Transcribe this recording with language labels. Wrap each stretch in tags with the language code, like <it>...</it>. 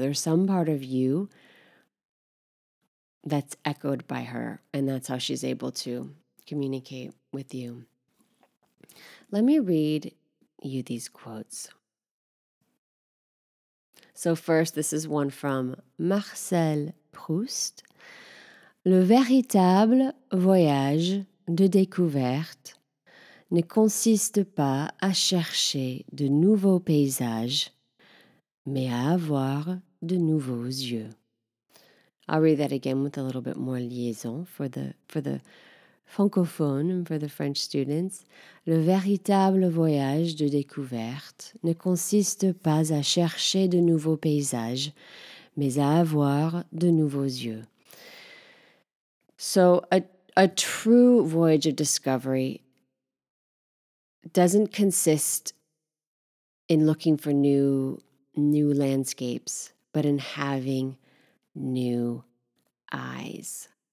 <en>There's some part of you that's echoed by her, and that's how she's able to communicate with you. Let me read you these quotes. So first, this is one from Marcel Proust.</en> <fr>Le véritable voyage de découverte ne consiste pas à chercher de nouveaux paysages, mais à avoir de nouveaux yeux.</fr> <en>I'll read that again with a little bit more liaison for the francophone for the French students,</en> <fr>le véritable voyage de découverte ne consiste pas à chercher de nouveaux paysages, mais à avoir de nouveaux yeux.</fr> <en>So a true voyage of discovery doesn't consist in looking for new landscapes, but in having new eyes.</en>